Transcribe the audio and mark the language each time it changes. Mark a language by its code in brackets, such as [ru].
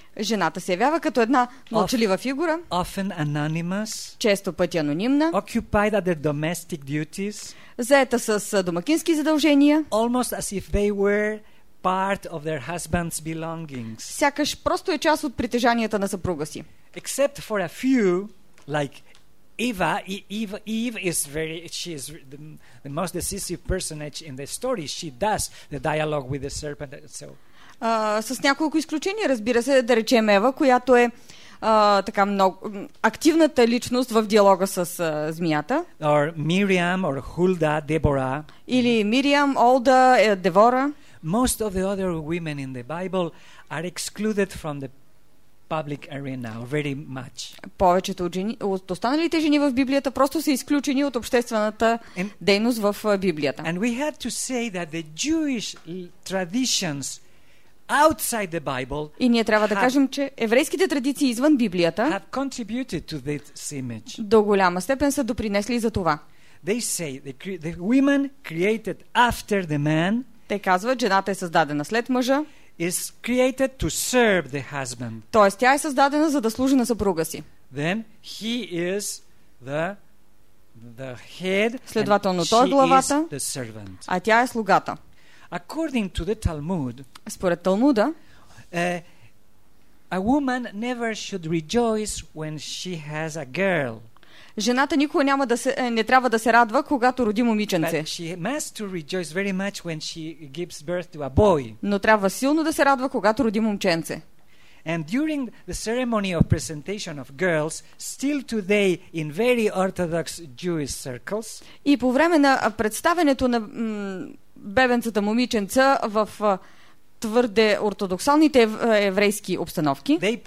[bg] Жената се явява като една мълчалива фигура. [en] Often anonymous. [bg] Често пъти анонимна. [en] Occupied with their domestic duties. [bg] Заета с домакински задължения. [en] Almost as if they were part of their husband's belongings. [bg] Сякаш просто е част от притежанията на съпруга си. [en] Except for a few, like Eva. Eve is very, she is the most decisive personage in the story. She does the dialogue with the serpent. So. [bg] С няколко изключения, разбира се, да речем Ева, която е така много активната личност в диалога с змията. [en] Or Miriam, or Hulda, Deborah. [bg] Или Miriam, Olda, Devora. [en] Most of the other women in the Bible are excluded from the public arena very much. [bg] Повечето от останалите жени в Библията просто са изключени от обществената дейност в Библията. [en] And we had to say that the Jewish traditions outside the Bible. [bg] И ние трябва да кажем, че еврейските традиции извън Библията [en] have contributed to this image. [bg] До голяма степен са допринесли за това. [en] They say the woman created after the man. [bg] Те казват, жената е създадена след мъжа. [en] Is created to serve the husband. [bg] Тоест тя е създадена за да служи на съпруга си. [en] Then he is the head. [bg] Следователно той е главата. [en] The servant. [bg] А тя е слугата. [en] According to the Talmud. [bg] Според Талмуда, [en] a woman never should rejoice when she has a girl. [bg] Жената никога няма да се не трябва да се радва, когато роди момиченце. [en] But she must to rejoice very much when she gives birth to a boy. [bg] Но трябва силно да се радва, когато роди момченце. [en] And during the ceremony of presentation of girls, still today in very orthodox Jewish circles. [bg] И по време на представянето на бебенцата момиченца в твърде ортодоксалните еврейски обстановки.